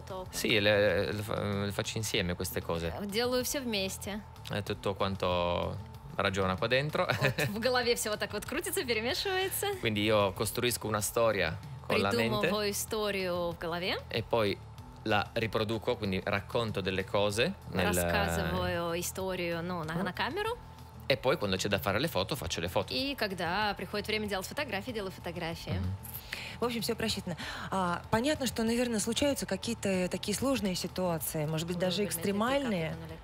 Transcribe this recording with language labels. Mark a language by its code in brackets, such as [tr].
[it] Sì, le faccio insieme queste cose. [ru] Делаю все вместе. Это то, [it] quanto ragiona qua dentro. [ru] В голове все вот так вот крутится, перемешивается. [it] Quindi io costruisco una storia con la mente. [ru] Придумываю историю в голове. [it] E poi la riproduco, quindi racconto delle cose nel... [ru] Рассказываю историю на камеру. [it] E poi quando c'è da fare le foto, faccio le foto. [ru] И когда приходит время делать фотографии, делаю фотографии. В общем, все просчитано. Понятно, что, наверное, случаются какие-то такие сложные ситуации, может быть, даже экстремальные.